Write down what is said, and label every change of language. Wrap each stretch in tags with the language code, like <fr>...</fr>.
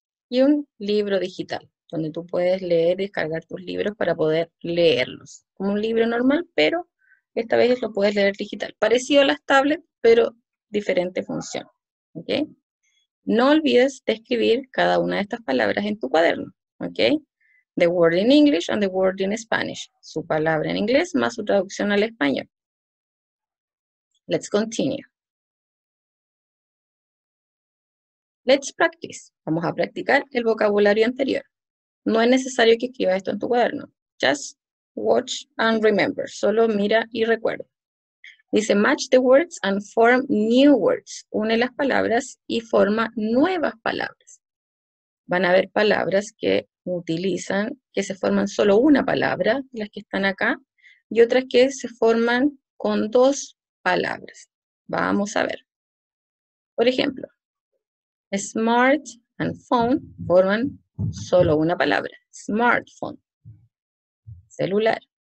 <es>Y un libro digital, donde tú puedes leer y descargar tus libros para poder leerlos. Como un libro normal, pero esta vez lo puedes leer digital. Parecido a las tablets, pero diferente función. ¿Ok? No olvides de escribir cada una de estas palabras en tu cuaderno. ¿Ok?</es> <en>The word in English and the word in Spanish.</en> <es>Su palabra en inglés más su traducción al español.</es> <en>Let's continue. Let's practice.</en> <es>Vamos a practicar el vocabulario anterior. No es necesario que escribas esto en tu cuaderno.</es> <en>Just watch and remember.</en> <es>Solo mira y recuerda.</es> <en>Dice, match the words and form new words.</en> <es>Une las palabras y forma nuevas palabras. Van a ver palabras que utilizan, que se forman solo una palabra, las que están acá, y otras que se forman con dos palabras. Vamos a ver. Por ejemplo, smart and phone forman solo una palabra, smartphone, celular.</es>